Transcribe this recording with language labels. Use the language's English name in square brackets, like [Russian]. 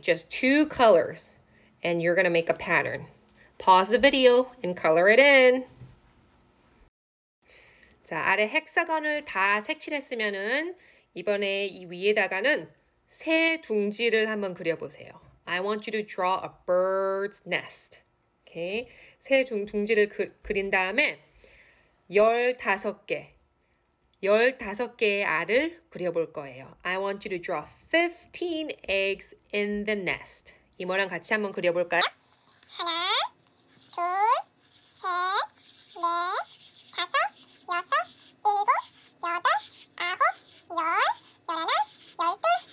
[English] Just two colors. And you're gonna make a pattern. Pause the video and color it in. [Korean] 자, 아래 헥사건을 다 색칠했으면은 이번에 이 위에다가는 새 둥지를 한번 그려보세요. [English] I want you to draw a bird's nest. Okay. [Korean] 새 둥지를 그린 다음에 15개의 알을 그려볼 거예요. [English] I want you to draw 15 eggs in the nest. [Korean] 이모랑 같이 한번 그려볼까요? 하나, 둘, 셋, 넷, 다섯, 여섯, 일곱, 여덟, 아홉, 열, 열하나, 열둘,